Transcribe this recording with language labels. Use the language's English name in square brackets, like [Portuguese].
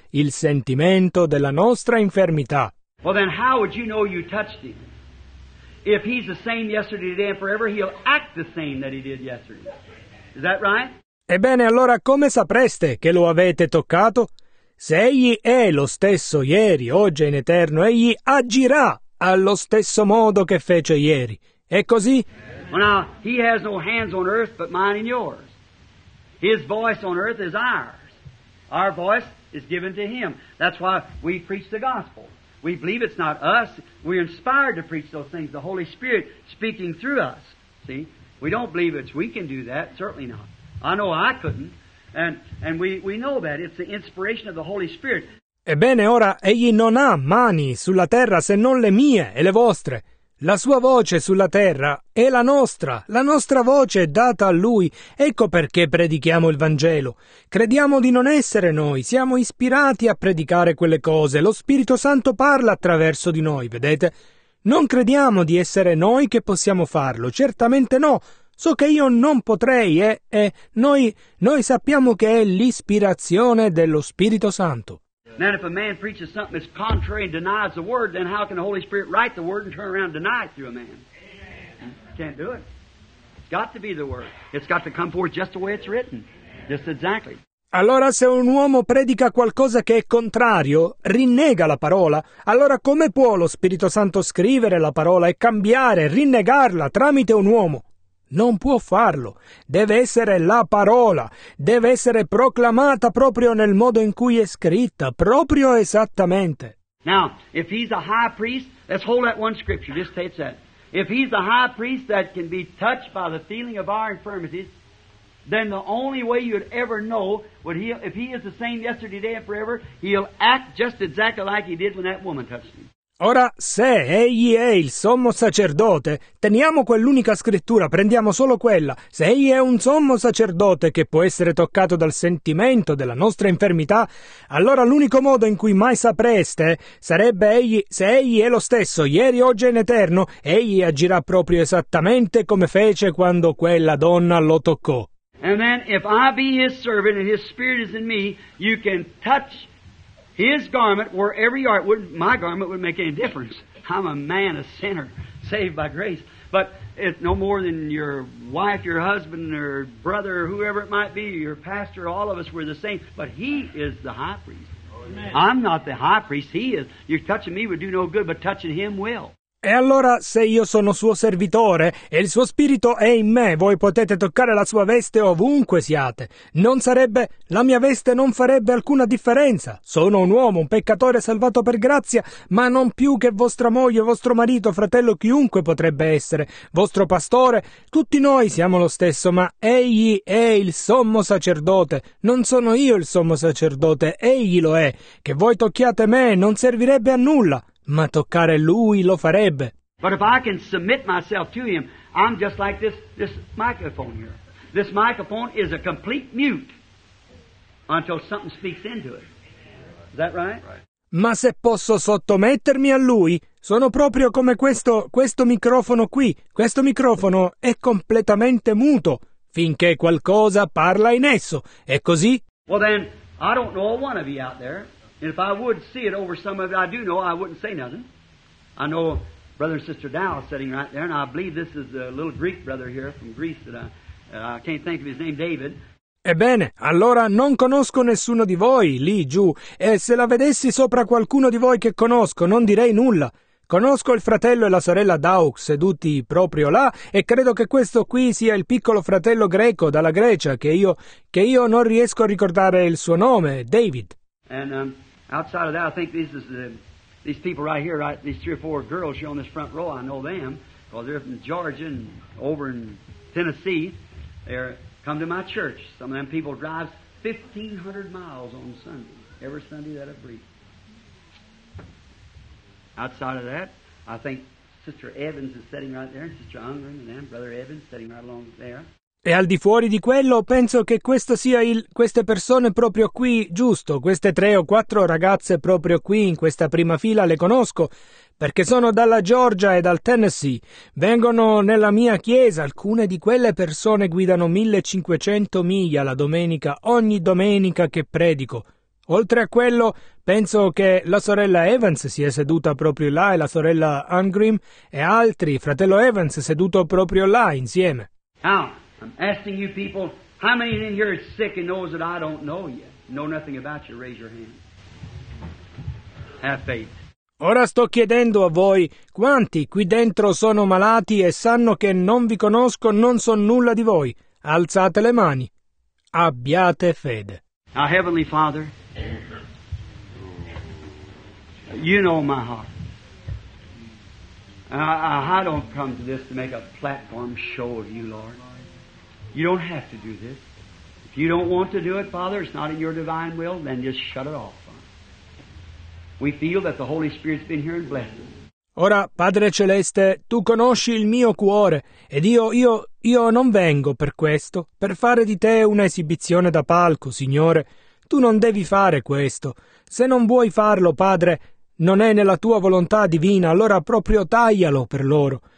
[Italian] Il sentimento della nostra infermità. [English] Well, then how would you know you touched him? If he's the same yesterday, today, and forever, he'll act the same that he did yesterday. Is that right? [Italian] Ebbene, allora come sapreste che lo avete toccato? Se egli è lo stesso ieri, oggi e in eterno, egli agirà allo stesso modo che fece ieri. È così? [English] Well, now, he has no hands on earth but mine and yours. His voice on earth is ours. Our voice is given to him. That's why we preach the gospel. We believe it's not us. We're inspired to preach those things. The Holy Spirit speaking through us. See? We don't believe it's we can do that. Certainly not. I know I couldn't. And we know that. It's the inspiration of the Holy Spirit. [Italian] Ebbene, ora, egli non ha mani sulla terra se non le mie e le vostre. La sua voce sulla terra è la nostra. La nostra voce è data a lui. Ecco perché predichiamo il Vangelo. Crediamo di non essere noi. Siamo ispirati a predicare quelle cose. Lo Spirito Santo parla attraverso di noi, vedete? Non crediamo di essere noi che possiamo farlo. Certamente no. So che io non potrei, noi sappiamo che è l'ispirazione dello Spirito Santo. [English] Then if a man preaches something that's contrary and denies the word, then how can the Holy Spirit write the word and turn around and deny it through a man? Amen. Can't do it. It's got to be the word. It's got to come forth just the way it's written. Amen. Just exactly. [Italian] Allora se un uomo predica qualcosa che è contrario, rinnega la parola, allora come può lo Spirito Santo scrivere la parola e cambiare, rinnegarla tramite un uomo? Non può farlo. Deve essere la parola. Deve essere proclamata proprio nel modo in cui è scritta, proprio esattamente. [English] Now, if he's a high priest, let's hold that one scripture, just take that. If he's a high priest that can be touched by the feeling of our infirmities, then the only way you'd ever know, if he is the same yesterday, today, and forever, he'll act just exactly like he did when that woman touched him. [Italian] Ora, se egli è il sommo sacerdote, teniamo quell'unica scrittura, prendiamo solo quella. Se egli è un sommo sacerdote che può essere toccato dal sentimento della nostra infermità, allora l'unico modo in cui mai sapreste sarebbe egli, se egli è lo stesso, ieri, oggi e in eterno, egli agirà proprio esattamente come fece quando quella donna lo toccò. [English] And then, if I be his servant and his spirit is in me, you can touch his garment, wherever you are. My garment wouldn't make any difference. I'm a man, a sinner, saved by grace. But it's no more than your wife, your husband, or brother, or whoever it might be, your pastor, all of us were the same. But he is the high priest. Amen. I'm not the high priest. He is. You're touching me would do no good, but touching him will. [Italian] E allora, se io sono suo servitore e il suo spirito è in me, voi potete toccare la sua veste ovunque siate. Non sarebbe... la mia veste non farebbe alcuna differenza. Sono un uomo, un peccatore salvato per grazia, ma non più che vostra moglie, vostro marito, fratello, chiunque potrebbe essere, vostro pastore. Tutti noi siamo lo stesso, ma egli è il sommo sacerdote. Non sono io il sommo sacerdote, egli lo è. Che voi tocchiate me non servirebbe a nulla. Ma toccare lui lo farebbe. [English] But if I can submit myself to him, I'm just like this microphone here. This microphone is a complete mute until something speaks into it. Is that right? [Italian] Ma se posso sottomettermi a lui, sono proprio come questo microfono qui. Questo microfono è completamente muto finché qualcosa parla in esso. È così? [English] Well then, I don't know one of you out there. And if I would see it over some of it, I do know, I wouldn't say nothing. I know Brother and Sister Dow sitting right there, and I believe this is a little Greek brother here from Greece that I can't think of his name, David. [Italian] Ebbene, allora non conosco nessuno di voi lì giù, e se la vedessi sopra qualcuno di voi che conosco, non direi nulla. Conosco il fratello e la sorella Daux seduti proprio là, e credo che questo qui sia il piccolo fratello greco dalla Grecia, che io non riesco a ricordare il suo nome, David. [English] And outside of that, I think these people right here, right, these three or four girls here on this front row, I know them, because they're from Georgia and over in Tennessee. They're come to my church. Some of them people drive 1,500 miles on Sunday, every Sunday that I preach. Outside of that, I think Sister Evans is sitting right there, and Sister Ungren and them, Brother Evans sitting right along there. [Italian] E al di fuori di quello, penso che questo sia queste persone proprio qui, giusto, queste tre o quattro ragazze proprio qui in questa prima fila le conosco, perché sono dalla Georgia e dal Tennessee. Vengono nella mia chiesa, alcune di quelle persone guidano 1500 miglia la domenica, ogni domenica che predico. Oltre a quello, penso che la sorella Evans sia seduta proprio là e la sorella Ungrim e altri, fratello Evans seduto proprio là insieme. Ah. [English] I'm asking you people, how many in here is sick and knows that I don't know you, know nothing about you, raise your hand. Have faith. [Italian] Ora sto chiedendo a voi, quanti qui dentro sono malati e sanno che non vi conosco, non so nulla di voi? Alzate le mani. Abbiate fede. [English] Now, Heavenly Father, you know my heart. I don't come to this to make a platform show of you, Lord. You don't have to do this. If you don't want to do it, Father, it's not in your divine will, then just shut it off. We feel that the Holy Spirit's been here and blessed us. [Italian] Ora, Padre Celeste, tu conosci il mio cuore, ed io non vengo per questo, per fare di te un'esibizione da palco, Signore. Tu non devi fare questo. Se non vuoi farlo, Padre, non è nella tua volontà divina, allora proprio taglialo per loro.